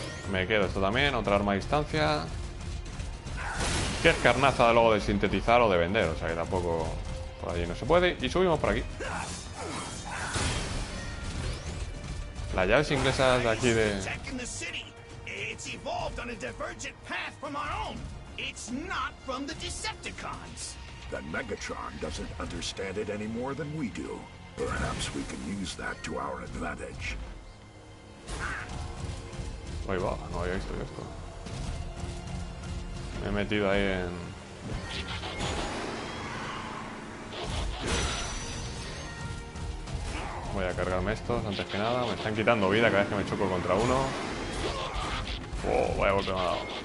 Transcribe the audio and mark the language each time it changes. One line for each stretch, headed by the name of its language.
Spanish: Me quedo esto también, otra arma a distancia. Que es carnaza luego de sintetizar o de vender, o sea que tampoco por allí no se puede. Y subimos por aquí. Las llaves inglesas de aquí de...
English: It's evolved on a divergent path from our own. It's not from the Decepticons. Then Megatron doesn't understand it any more than we do. Perhaps we can use that to our advantage.
Spanish: Ahí va, no había visto esto. Me he metido ahí en... Voy a cargarme estos antes que nada. Me están quitando vida cada vez que me choco contra uno. ¡Oh, vaya golpe me ha dado!